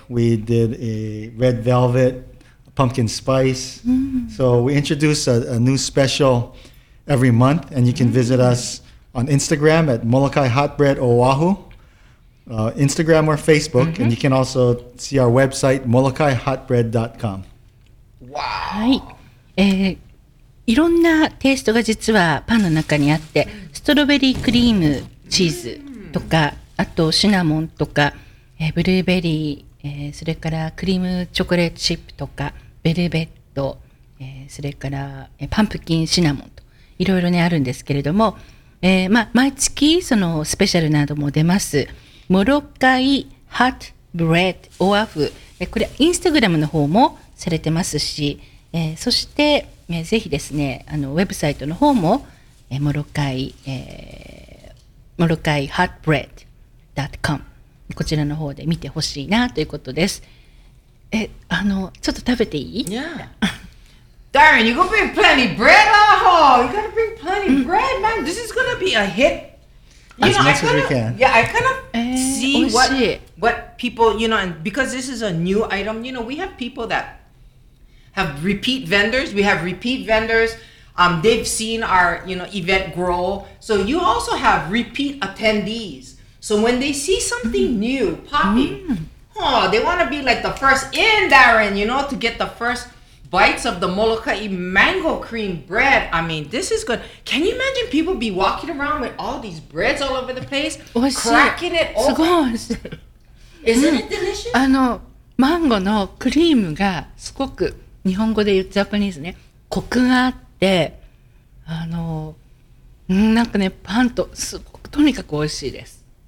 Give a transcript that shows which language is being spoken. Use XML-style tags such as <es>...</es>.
<en>We did a red velvet, pumpkin spice. Mm. So we introduce a new special every month, and you can visit us on Instagram at Molokai Hot Bread Oahu, Instagram or Facebook, and you can also see our website, molokaihotbread.com. Wow!</en> <ja>いろんなテイストが実はパンの中にあって、ストロベリークリーム、チーズとか、あとシナモンとか、ブルーベリー、それからクリームチョコレートチップとかベルベット、それから、パンプキンシナモンといろいろねあるんですけれども、毎月そのスペシャルなども出ますモロッカイハットブレッドオアフ、これインスタグラムの方もされてますし、そして、ぜひですねウェブサイトの方も、モロッカイハットブレッド .comこちらの方で見てほしいなということです。ちょっと食べていい?</ja> <en>Yeah. Darren, you're gonna bring plenty bread on the hall. You gotta bring plenty bread, man. This is gonna be a hit. As much as we can. Yeah, I kind of see what people, you know, and because this is a new item, you know, we have people that have repeat vendors. We have repeat vendors. They've seen our, you know, event grow. So you also have repeat attendees. So when they see something new popping, they want to be like the first in, Darren, you know, to get the first bites of the Molokai mango cream bread. I mean, this is good. Can you imagine people be walking around with all these breads all over the place, cracking it open? Isn't it delicious?</en> <ja>マンゴのクリームがすごく、日本語で言うジャパニーズね、コクがあって、なんかね、パンとすごくとにかく美味しいです。</ja>